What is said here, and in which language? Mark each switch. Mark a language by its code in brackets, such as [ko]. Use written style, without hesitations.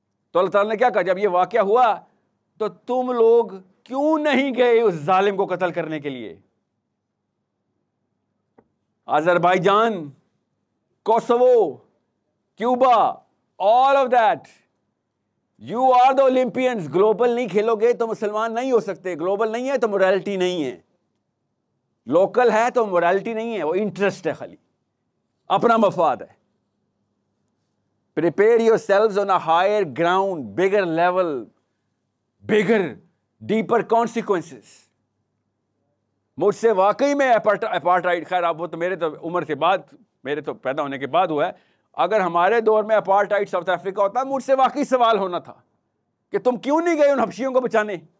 [ur] تو اللہ تعالیٰ نے کیا کہا جب یہ واقعہ ہوا, تو تم لوگ کیوں نہیں گئے اس ظالم کو قتل کرنے کے لیے؟ Azerbaijan, Kosovo, Cuba, [en] all of that, you are the Olympians. [ur] Global نہیں کھیلو گے تو مسلمان نہیں ہو سکتے. Global نہیں ہے تو morality نہیں ہے. Local ہے تو morality نہیں ہے, وہ interest ہے خالی, اپنا مفاد ہے. [en] Prepare yourselves on a higher ground, bigger level, bigger, deeper consequences. [ur] مجھ سے واقعی میں apartheid, خیر اب وہ تو میرے تو عمر سے بعد, میرے تو پیدا ہونے کے بعد ہوا ہے. اگر ہمارے دور میں اپارٹائڈ ساؤتھ افریقہ ہوتا, مجھ سے واقعی سوال ہونا تھا کہ تم کیوں نہیں گئے ان حبشیوں کو بچانے.